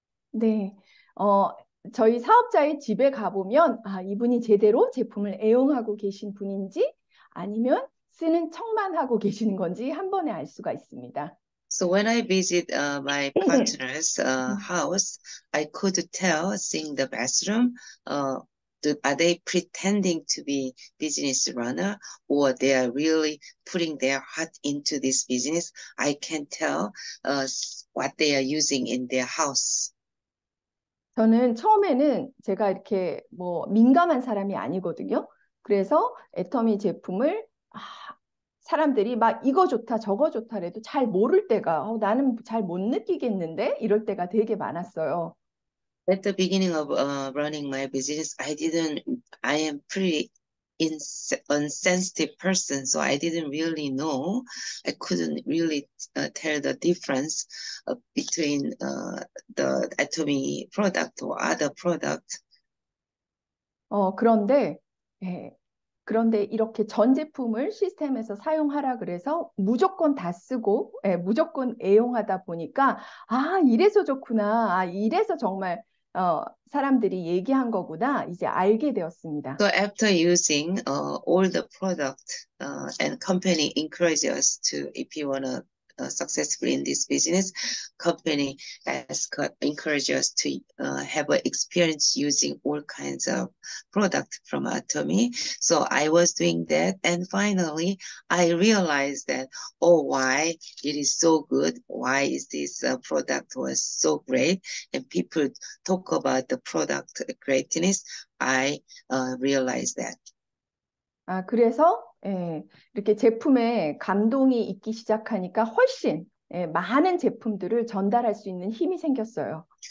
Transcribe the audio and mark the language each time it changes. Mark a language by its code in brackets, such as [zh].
[ko] 네, 저희 사업자의 집에 가보면 이분이 제대로 제품을 애용하고 계신 분인지 아니면 쓰는 척만 하고 계시는 건지 한 번에 알 수가 있습니다. [en] So when I visit my partner's house, I could tell seeing the bathroom. Are they pretending to be business runner or they are really putting their heart into this business? I can tell what they are using in their house. [ko] 저는 처음에는 제가 이렇게 뭐 민감한 사람이 아니거든요. 그래서 애터미 제품을 사람들이 막 이거 좋다 저거 좋다 해도 잘 모를 때가 나는 잘못 느끼겠는데 이럴 때가 되게 많았어요. [en] At the beginning of running my business, I am pretty insensitive person, so I didn't really know. I couldn't really tell the difference between the Atomy product or other product. [ko] 그런데, 예. 그런데 이렇게 전 제품을 시스템에서 사용하라 그래서 무조건 다 쓰고, 예, 무조건 애용하다 보니까, 아, 이래서 좋구나. 아, 이래서 정말, 사람들이 얘기한 거구나. 이제 알게 되었습니다. [en] So after using all the product and company encourage us to if you wanna successful in this business, company ask encourage us to have an experience using all kinds of product from Atomy. So I was doing that, and finally I realized that oh why it is so good, why is this product was so great, and people talk about the product greatness. I realized that. [ko] 아, 그래서 예, 이렇게 제품에 감동이 있기 시작하니까 훨씬 예, 많은 제품들을 전달할 수 있는 힘이 생겼어요.